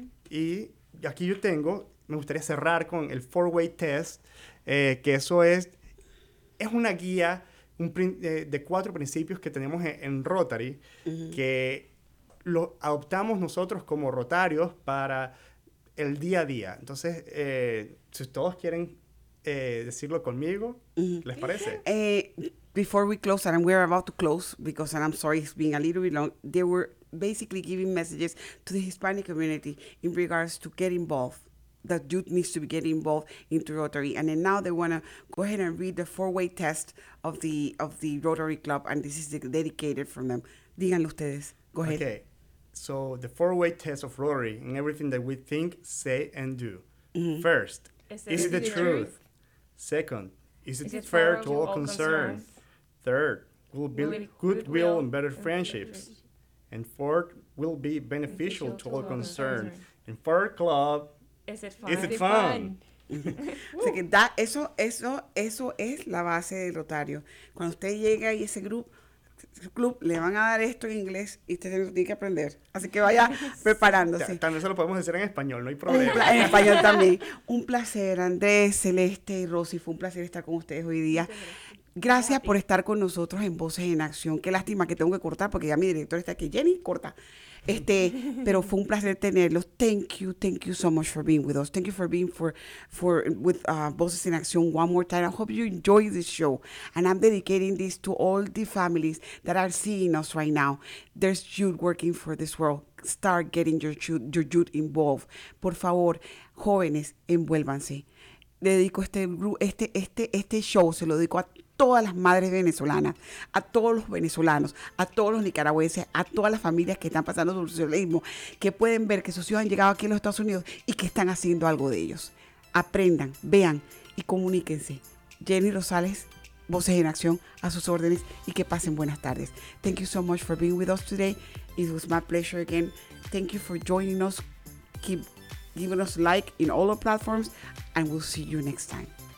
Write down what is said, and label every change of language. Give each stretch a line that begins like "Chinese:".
Spanish: Y aquí yo tengo, me gustaría cerrar con el 4-Way Test, que eso es una guía de cuatro principios que tenemos en Rotary, que lo adoptamos nosotros como rotarios para el día a día. Entonces, si todos quieren decirlo conmigo, ¿les parece?
English: Before we close, and we're about to close, because and I'm sorry it's been a little bit long, they were basically giving messages to the Hispanic community in regards to get involved, that youth needs to get involved into Rotary. And then now they want to go ahead and read the 4-way test of the Rotary Club, and this is dedicated from them.
Spanish: Díganlo ustedes.
English: Go ahead. Okay. So the 4-way test of Rotary and everything that we think, say, and do. Mm-hmm. First, is it the truth? Second, is it fair to all concerned? Third, we'll build goodwill and better friendships. And fourth, will be beneficial to all concerned. And for our club, Is it fun?
Spanish: Así que eso es la base del Rotario. Cuando usted llega y ese club le van a dar esto en inglés y usted tiene que aprender. Así que vaya preparándose. También se lo podemos decir en español, no hay problema. En español también. Un placer, Andrés, Celeste y Rosy. Fue un placer estar con ustedes hoy día. Gracias por estar con nosotros en Voces en Acción. Qué lástima que tengo que cortar porque ya mi director está aquí. Jenny, corta. Pero fue un placer tenerlos.
English: Thank you so much for being with us. Thank you for being with Voces en Acción one more time. I hope you enjoy this show. And I'm dedicating this to all the families that are seeing us right now. There's youth working for this world. Start getting your youth involved.
Spanish: Por favor, jóvenes, envuélvanse. Dedico este show, se lo dedico a todas las madres venezolanas, a todos los venezolanos, a todos los nicaragüenses, a todas las familias que están pasando por el socialismo, que pueden ver que sus hijos han llegado aquí a los Estados Unidos y que están haciendo algo de ellos. Aprendan, vean y comuníquense. Jenny Rosales, Voces en Acción, a sus órdenes y que pasen buenas tardes.
English: Thank you so much for being with us today. It was my pleasure again. Thank you for joining us. Keep giving us like in all our platforms and we'll see you next time.